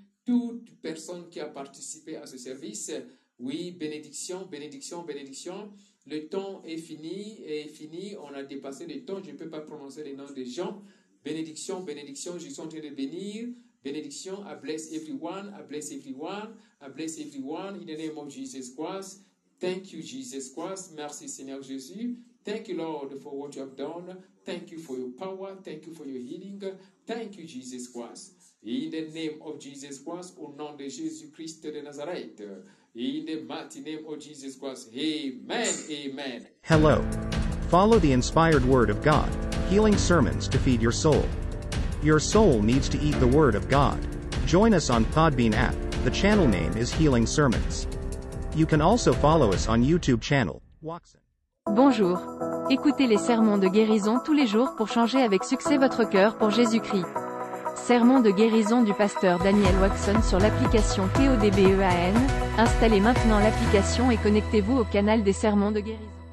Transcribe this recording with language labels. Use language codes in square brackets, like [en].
[fr] Toute personne qui a participé à ce service, oui, bénédiction, bénédiction, bénédiction. Le temps est fini, On a dépassé le temps. Je ne peux pas prononcer les noms des gens. Bénédiction, bénédiction, je suis en train de bénir. [en] Bénédiction, I bless everyone, I bless everyone, I bless everyone. In the name of Jesus Christ, thank you Jesus Christ. [fr] Merci Seigneur Jésus. [en] Thank you Lord for what you have done. Thank you for your power. Thank you for your healing. Thank you Jesus Christ. In the name of Jesus Christ, [fr] au nom de Jésus Christ de Nazareth. [en] In the mighty name of Jesus Christ, amen, amen. Hello. Follow the inspired word of God, healing sermons to feed your soul. Your soul needs to eat the word of God. Join us on Podbean app. The channel name is Healing Sermons. You can also follow us on YouTube channel. Waxen. [fr] Bonjour. Écoutez les sermons de guérison tous les jours pour changer avec succès votre cœur pour Jésus-Christ. Sermon de guérison du pasteur Daniel Waxen sur l'application TODBEAN. Installez maintenant l'application et connectez-vous au canal des sermons de guérison.